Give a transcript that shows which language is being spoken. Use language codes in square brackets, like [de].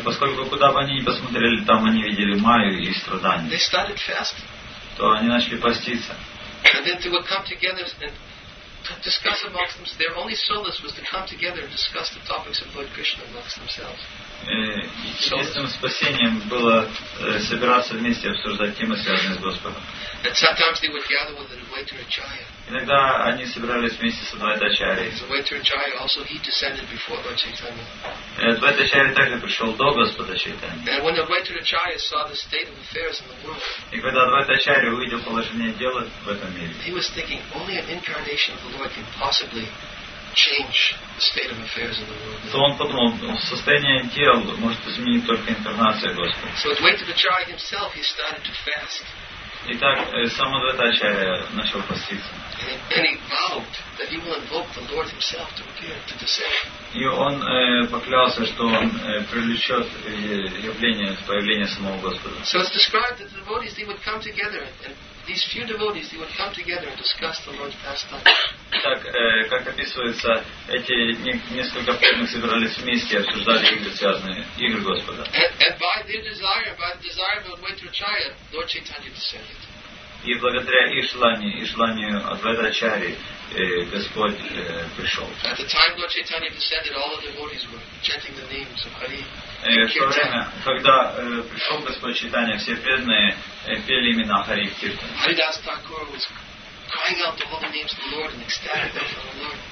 [ru] поскольку куда бы они ни посмотрели, там они видели майю и страдания. [en] They started fasting. [ru] То они начали поститься. [en] And then they would come together and discuss amongst them. Their only solace was to come together and discuss the topics of Lord Krishna amongst themselves. [ru] Единственным спасением было собираться вместе и обсуждать темы, связанные с Господом. [en] And sometimes they would gather with the waiter Acharya. [ru] Иногда они собирались вместе с Адвайта Ачарьей. [en] Адвайта Ачарья also he descended before Lord Chaitanya. [ru] Адвайта Ачарья также пришел до Господа Чайтаньи. [en] And when Adwaita Acharya saw the state of affairs in the world. [ru] И когда Адвайта Ачарья увидел положение дел в этом мире. [en] He was thinking only an incarnation of the Lord can possibly change the state of affairs in the world. [ru] То он подумал, состояние тел может изменить только инкарнация Господа. [en] So Adwaita Acharya himself he started to fast. [ru] Итак, сам Адвайта Ачарья начал поститься. [en] And he vowed that he will invoke the Lord Lord himself to appear to descend. [ru] И он поклялся, что он привлечет явление, появление самого Господа. [en] So it's described that the devotees, they would come together, and these few devotees, they would come together and discuss the Lord's pastime. [ru] Так, как описывается, эти несколько преданных собирались вместе и обсуждали игры, связанные, игры Господа. [en] And by their desire, by the desire of Advайтачарья, Lord Chaitanya descended. [ru] И благодаря Ишлане, Ишлане Адвайтачарьи, Господь пришел. [en] At the time Lord Chaitanya descended, all the devotees were chanting the names of Hari. [ru] Когда пришел Господь Чайтанья, все преданные пели имена Хари в Киртане. [en] Haridas Thakur was crying out all the names of the Lord and ecstatic over the Lord.